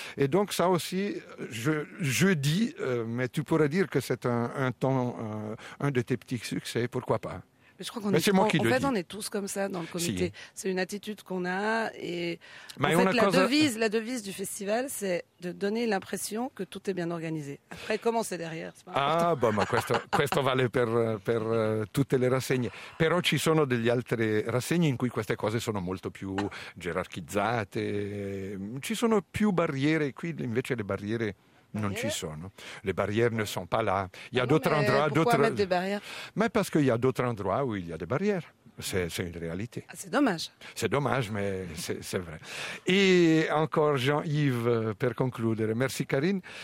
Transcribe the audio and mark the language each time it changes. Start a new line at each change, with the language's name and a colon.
French: Et donc ça aussi, je dis, mais tu pourrais dire que c'est un de tes petits succès, pourquoi pas. Mais je crois qu'on est, en fait, on est tous comme ça dans le comité. Si. C'est une attitude qu'on a. Et mais en fait,
Italian: cosa...
French: la devise du festival, c'est de donner l'impression que tout est bien organisé. Après, comment c'est derrière, c'est pas important.
Italian: Ma questo vale per tutte le rassegne. Però ci sono degli altri rassegni in cui queste cose sono molto più gerarchizzate. Ci sono più barriere. Qui invece le barriere... Non ci sono.
French: Le barrières ne sont pas là. Il y a d'autres endroits... Pourquoi mettre des barrières? Mais parce qu'il y a d'autres endroits où il y a des barrières. C'est une réalité. C'est dommage. C'est dommage, mais c'est vrai. Et encore Jean-Yves, pour conclure. Merci Karine.